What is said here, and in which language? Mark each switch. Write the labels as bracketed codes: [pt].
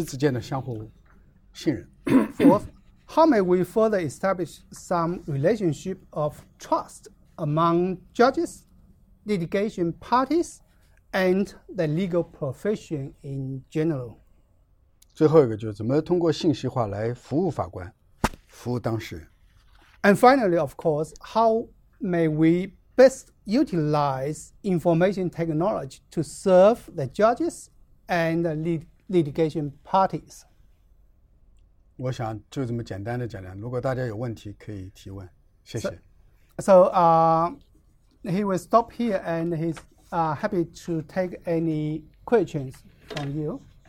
[zh] 第四个呢，怎么建立起法官、当事人和律师之间的相互信任? [en] Fourth, how may we further establish some relationship of trust among judges, litigation parties, and the legal profession in general? [zh] 最后一个就是怎么通过信息化来服务法官，服务当事人。 [en] And finally, of course, how may we best utilize information technology to serve the judges and the litigation parties? [zh] 我想就这么简单的讲讲，如果大家有问题可以提问，谢谢。 [en] He will stop here and he's happy to take any questions from you.